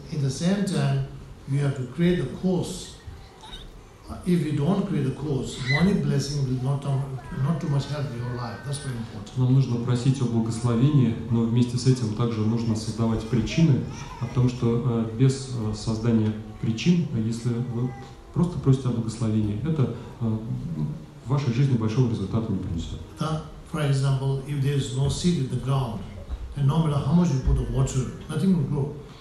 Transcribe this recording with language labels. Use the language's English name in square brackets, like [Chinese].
[English] In the same time, we have to create the course. If you don't create the course, one blessing will not too much help your life. That's very important. [Russian] Нам нужно просить о благословении, но вместе с этим также нужно создавать причины, потому что без создания причин, если вы просто просите о благословении, это в вашей жизни большого результата не принесет. [English] That, for example, if there is no seed in the ground, and no matter how much you put the water, nothing will grow.